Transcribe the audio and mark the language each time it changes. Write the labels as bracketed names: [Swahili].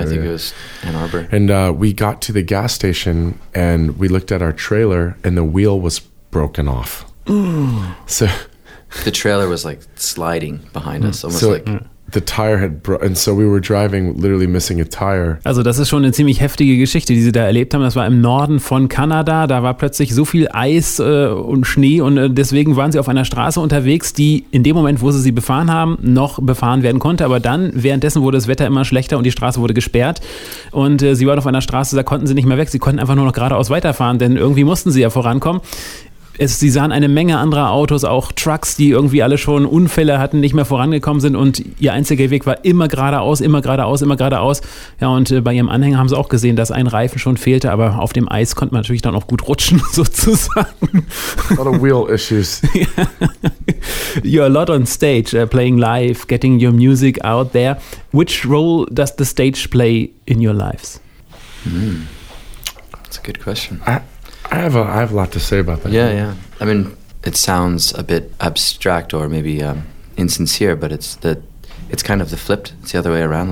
[English] Yeah, area. I think it was Ann Arbor. And we got to the gas station, and we looked at our trailer, and the wheel was broken off. Ooh. So the trailer was like sliding behind us, almost so like. The tire had broken, and so we were driving, literally missing a tire. [German] Also, das ist schon eine ziemlich heftige Geschichte, die sie da erlebt haben. Das war im Norden von Kanada. Da war plötzlich so viel Eis und Schnee, und deswegen waren sie auf einer Straße unterwegs, die in dem Moment, wo sie sie befahren haben, noch befahren werden konnte. Aber dann, währenddessen, wurde das Wetter immer schlechter und die Straße wurde gesperrt. Und sie waren auf einer Straße, da konnten sie nicht mehr weg. Sie konnten einfach nur noch geradeaus weiterfahren, denn irgendwie mussten sie ja vorankommen. Sie sahen eine Menge anderer Autos, auch Trucks, die irgendwie alle schon Unfälle hatten, nicht mehr vorangekommen sind, und ihr einziger Weg war immer geradeaus, immer geradeaus, immer geradeaus. Ja, und bei ihrem Anhänger haben sie auch gesehen, dass ein Reifen schon fehlte, aber auf dem Eis konnte man natürlich dann auch gut rutschen, sozusagen. [English] A lot of wheel issues. You're a lot on stage, playing live, getting your music out there. Which role does the stage play in your lives? That's a good question. I have a lot to say about that. Yeah, yeah. I mean, it sounds a bit abstract or maybe insincere, but it's kind of the flipped. It's the other way around.